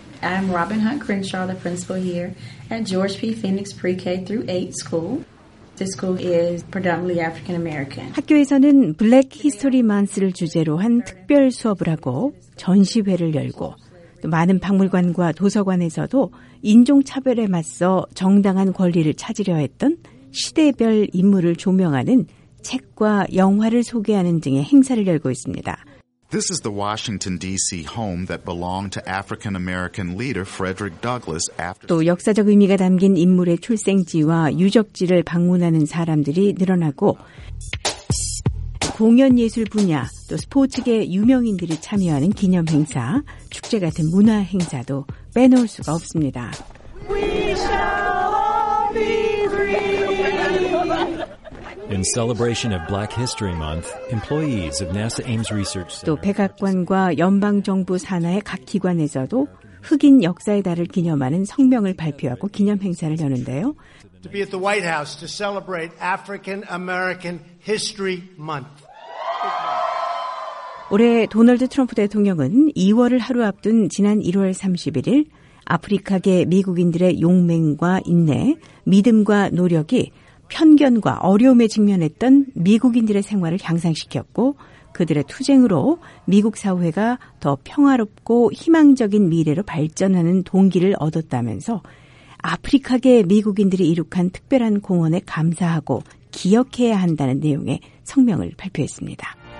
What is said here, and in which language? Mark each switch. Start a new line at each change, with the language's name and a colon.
English: I'm Robin Hunt Crenshaw, the principal here at George P. Phoenix Pre-K through 8 school. This school is predominantly African American.
Korean: 학교에서는 블랙 히스토리 만스를 주제로 한 특별 수업을 하고 전시회를 열고 또 많은 박물관과 도서관에서도 인종차별에 맞서 정당한 권리를 찾으려 했던 시대별 인물을 조명하는 책과 영화를 소개하는 등의 행사를 열고 있습니다.
English: This is the Washington, D.C. home that belonged to African-American leader Frederick Douglass.
Korean: 또 역사적 의미가 담긴 인물의 출생지와 유적지를 방문하는 사람들이 늘어나고 공연 예술 분야 또 스포츠계 유명인들이 참여하는 기념 행사, 축제 같은 문화 행사도 빼놓을 수가 없습니다.
English: We shall all be free. In celebration of Black History Month, employees of NASA Ames Research Center
Korean: 또 백악관과 연방 정부 산하의 각 기관에서도 흑인 역사의 달을 기념하는 성명을 발표하고 기념 행사를 여는데요.
English: To be at the White House to celebrate African American History Month.
Korean: 올해 도널드 트럼프 대통령은 2월을 하루 앞둔 지난 1월 31일 아프리카계 미국인들의 용맹과 인내, 믿음과 노력이 편견과 어려움에 직면했던 미국인들의 생활을 향상시켰고 그들의 투쟁으로 미국 사회가 더 평화롭고 희망적인 미래로 발전하는 동기를 얻었다면서 아프리카계 미국인들이 이룩한 특별한 공헌에 감사하고 기억해야 한다는 내용의 성명을 발표했습니다.